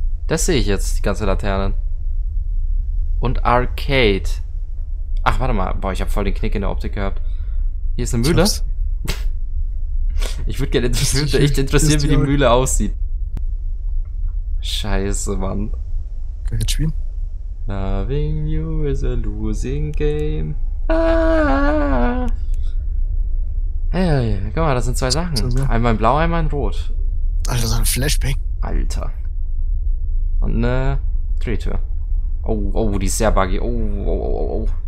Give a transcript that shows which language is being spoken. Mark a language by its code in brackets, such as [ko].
[de] Das sehe ich jetzt, die ganze Laterne. Und Arcade. Ach, warte mal. Boah, ich habe voll den Knick in der Optik gehabt. Hier ist eine Mühle. Ich würde gerne interessieren, wie die Mühle aussieht. Scheiße, Mann. Kann ich jetzt spielen? [en] Loving you is a losing game. Ah. [de] Hey, guck mal, das sind zwei Sachen. Einmal in blau, einmal in rot. Alter, so ein Flashbang. Alter. Und eine Drehtür. Oh, oh, die ist sehr buggy. Oh.